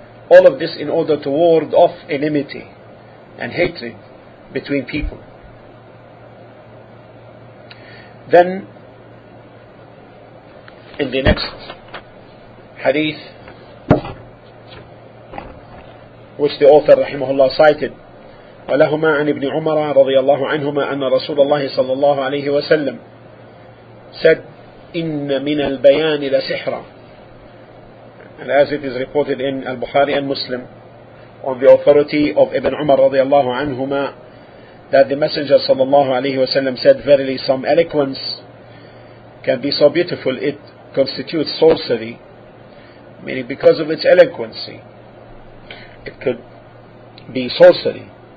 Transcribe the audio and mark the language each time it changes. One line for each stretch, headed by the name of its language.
English: All of this in order to ward off enmity and hatred between people. Then in the next hadith, which the author rahimahullah cited.
Arabic: ولهما عن ابن عمر رضي الله عنهما أن رسول الله صلى الله عليه وسلم said إن من البيان لسحرا.
English: And as it is reported in Al-Bukhari and Muslim, on the authority of Ibn Umar رضي الله عنهما, that the Messenger صلى الله عليه وسلم said, verily some eloquence can be so beautiful, it constitutes sorcery, meaning because of its eloquency, it could be sorcery.